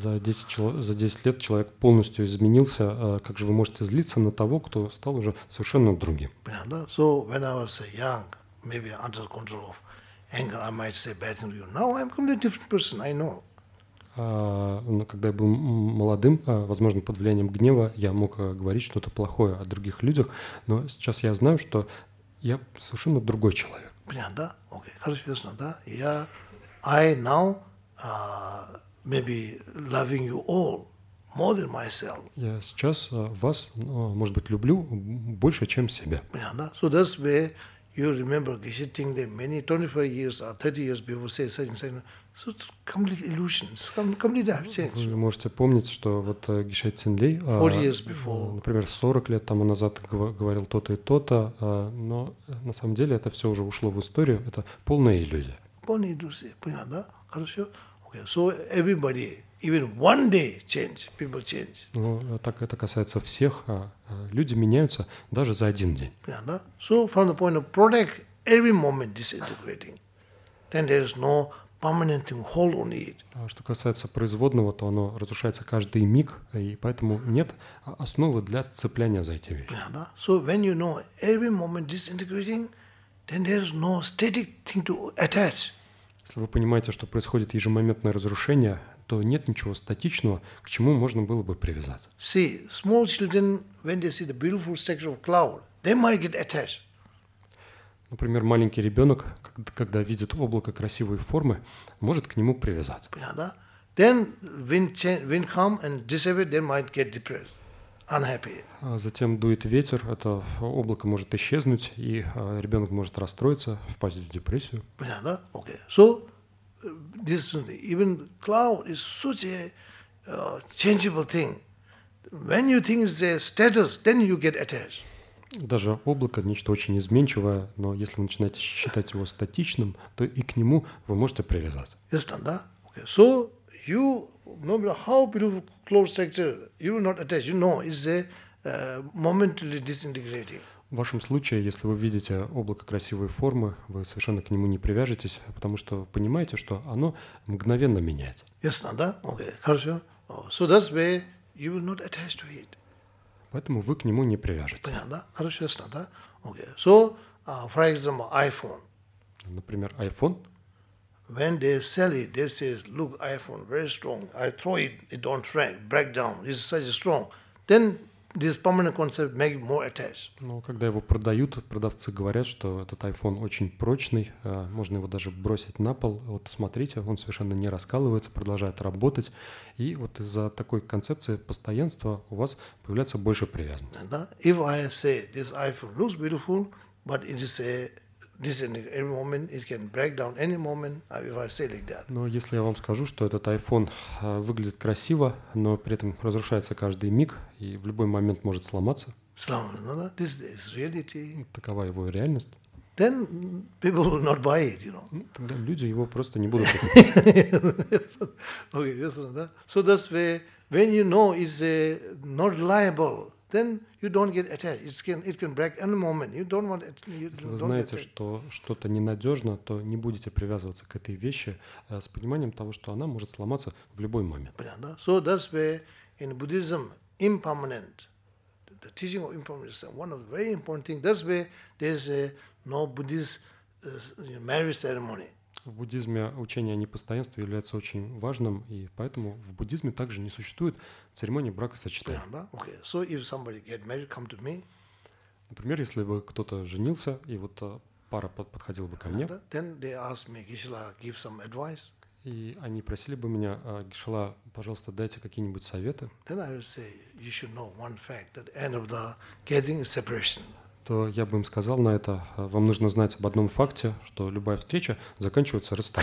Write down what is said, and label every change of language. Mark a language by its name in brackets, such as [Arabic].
[Russian] За десять лет человек полностью изменился. Как же вы можете злиться на того, кто стал уже совершенно другим? [English] So when I was young, maybe under control of anger, I might say bad things to you. Now I'm completely different person. I know. [Russian] Когда я был молодым, возможно, под влиянием гнева, я мог говорить что-то плохое о других людях, но сейчас я знаю, что я совершенно другой человек. Понятно, да? Окей, хорошо, ясно, да? [English] I now maybe loving you all more than myself. [Russian] Я сейчас вас, может быть, люблю больше, чем себя. Понятно, да? [English] So that's where you remember this thing that many 25 years or 30 years before say something. So it's complete illusion, it's complete absence. [Russian] Вы можете помнить, что вот Гишет Цинлей, например, 40 лет тому назад говорил то-то и то-то, но на самом деле это все уже ушло в историю, это полная иллюзия. Полная иллюзия, понятно, да? Хорошо? Okay. [English] So everybody, even one day change, people change. [Russian] Ну, так это касается всех, люди меняются даже за один день. Понятно, да? [English] So from the point of product, every moment disintegrating. Then there is no permanent and hold on it. [Russian] Что касается производного, то оно разрушается каждый миг, и поэтому нет основы для цепляния за эти вещи. Yeah, да? [English] So when you know every moment disintegrating, then there's no static thing to attach. [Russian] Если вы понимаете, что происходит ежемоментное разрушение, то нет ничего статичного, к чему можно было бы привязаться. [English] See, small children, when they see the beautiful structure of cloud, they might get attached. [Russian] Например, маленький ребенок, когда видит облако красивой формы, может к нему привязаться. Понятно? [English] Then wind come and disappear, they might get depressed, unhappy. [Russian] А затем дует ветер, это облако может исчезнуть, и ребенок может расстроиться, впасть в депрессию. Понятно? Okay. [English] So this even cloud is such a changeable thing. When you think it's a status, then you get attached. [Russian] Даже облако – нечто очень изменчивое, но если вы начинаете считать его статичным, то и к нему вы можете привязаться. [English] Yes, да? Okay. So you, no matter how beautiful closed structure, you will not attach. You know, it's a momentarily disintegrating. [Russian] В вашем случае, если вы видите облако красивой формы, вы совершенно к нему не привяжетесь, потому что понимаете, что оно мгновенно меняется. [English] Yes, да? Okay. [Russian] Хорошо. [English] Oh. So that's where you will not attach to it. [Russian] Поэтому вы к нему не привяжете. Понятно, да? Хорошо, ясно, да? [English] Okay. So, for example, iPhone. [Russian] например, iPhone? [English] When they sell it, they say, look, iPhone, very strong. I throw it, it don't break, break down. It's such a strong. Then this permanent concept make more attached. [Russian] Но когда его продают, продавцы говорят, что этот iPhone очень прочный, можно его даже бросить на пол. Вот смотрите, он совершенно не раскалывается, продолжает работать. И вот из-за такой концепции постоянства у вас появляется больше привязанности. Да. [English] If I say this iPhone looks beautiful, but it is a this in every moment it can break down any moment if I say like that. [Russian] Но если я вам скажу, что этот iPhone выглядит красиво, но при этом разрушается каждый миг и в любой момент может сломаться. [English] This is reality. [Russian] Такова его реальность. [English] Then people will not buy it, you know. [Russian] Тогда люди его просто не будут покупать. [English] Okay, so that's where when you know it's not reliable. Then you don't get attached. It can break any moment. You don't want it. [Russian] Если вы знаете, что что-то ненадежно, то не будете привязываться к этой вещи с пониманием того, что она может сломаться в любой момент. Понятно? [English] So that's where in Buddhism impermanent, the teaching of impermanence, one of the very important things. That's where there's no Buddhist marriage ceremony. [Russian] В буддизме учение о непостоянстве является очень важным, и поэтому в буддизме также не существует церемонии бракосочетания. [English] Okay. So if somebody get married, come to me. [Russian] Например, если бы кто-то женился, и вот пара подходила бы ко мне, [English] then they ask me, Gishila, give some advice. [Russian] И они просили бы меня, Гишила, пожалуйста, дайте какие-нибудь советы. [English] Then I would say, you should know one fact, that end of the getting is separation. [Russian] То я бы им сказал на это, вам нужно знать об одном факте, что любая встреча заканчивается